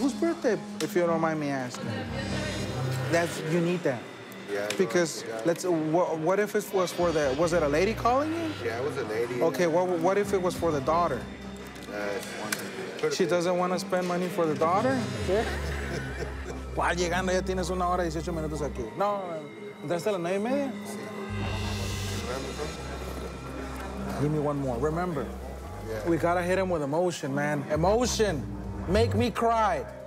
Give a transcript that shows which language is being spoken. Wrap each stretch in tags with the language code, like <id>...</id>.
<en>Whose birthday, if you don't mind me asking? That's, you need that. Yeah. Because let's, what if it was for the, was it a lady calling you? Yeah, it was a lady. Okay, what if it was for the daughter? She doesn't want to spend money for the daughter? Yeah.</en> <es>¿Cuál llegando? Ya tienes una hora y 18 minutos aquí. No, ¿entraste a las 9 y media? Sí.</es> <en>Give me one more. Remember, we gotta hit him with emotion, man. Emotion. Make me cry.</en>